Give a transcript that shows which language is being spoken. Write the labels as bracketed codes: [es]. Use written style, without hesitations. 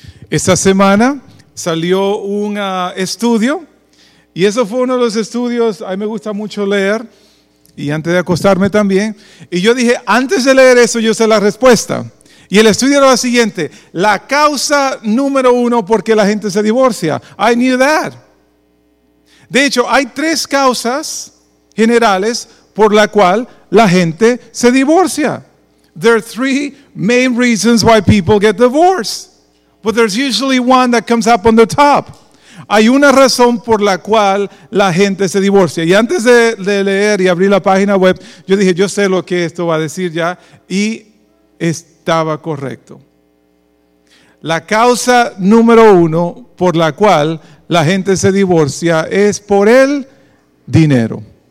[es] Esta semana salió un estudio, y eso fue uno de los estudios, a mí me gusta mucho leer, y antes de acostarme también, y yo dije, antes de leer eso, yo sé la respuesta. Y el estudio era lo siguiente: la causa número uno por qué la gente se divorcia. [en] I knew that. [es] De hecho, hay tres causas generales por la cual la gente se divorcia. [en] There are three main reasons why people get divorced. But there's usually one that comes up on the top. [es] Hay una razón por la cual la gente se divorcia. Y antes de leer y abrir la página web, yo dije, yo sé lo que esto va a decir ya. Y estaba correcto. La causa número uno por la cual la gente se divorcia es por el dinero.